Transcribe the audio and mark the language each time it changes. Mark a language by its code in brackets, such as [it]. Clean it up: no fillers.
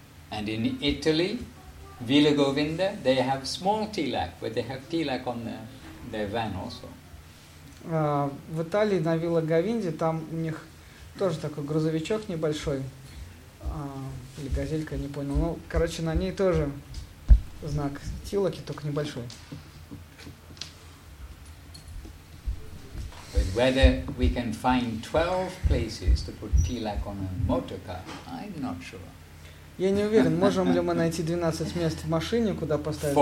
[en] And in Italy, Villa Govinda, they have small tilak, but they have tilak on their van also. [ru] В Италии на Вилла Говинде там у них тоже такой грузовичок небольшой, или газелька, не понял. Ну, короче, на ней тоже знак тилаки, только небольшой. [en] But whether we can find 12 places to put tilak on a motor car, I'm not sure. [ru] Я не уверен, можем ли мы найти 12 мест в машине, куда поставить.